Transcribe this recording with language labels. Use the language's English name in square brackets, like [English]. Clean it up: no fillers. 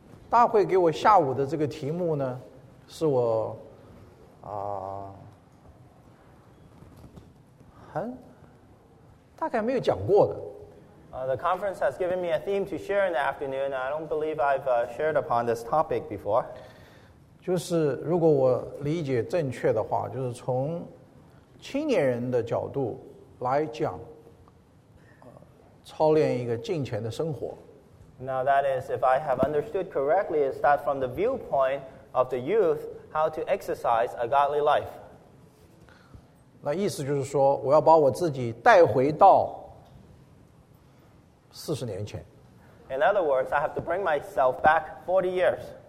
[Chinese] 大会给我下午的这个题目呢，是我大概没有讲过的。 [English] The conference has given me a theme to share in the afternoon. I don't believe I've shared upon this topic before. [Chinese] 就是如果我理解正确的话，就是从青年人的角度来讲，操练一个敬虔的生活。 [English] Now that is, if I have understood correctly, is that from the viewpoint of the youth, how to exercise a godly life? [Chinese] 那意思就是说，我要把我自己带回到四十年前。 [English] In other words, I have to bring myself back 40 years.